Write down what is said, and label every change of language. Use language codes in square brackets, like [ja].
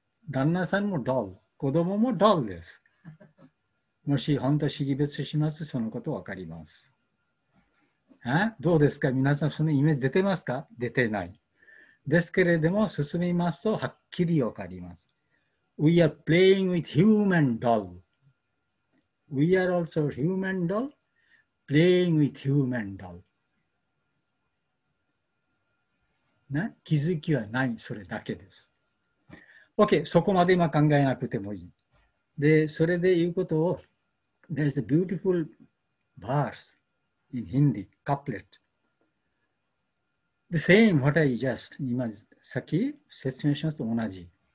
[ja] 旦那さんもドール。子供もドールです。もし本当に識別しますと、そのことわかります。どうですか？皆さん、そのイメージ出てますか？出てない。ですけれども、進みますと、はっきりわかります。 [en] We are playing with human doll.We are also human doll, playing with human doll.、 [ja] ね、気づきはない、それだけです。 OK、そこまで今考えなくてもいい。で、それで言うことを、 [en] There is a beautiful verse in Hindi, couplet. The same what I just, [ja] 今さっき説明しますと同じ。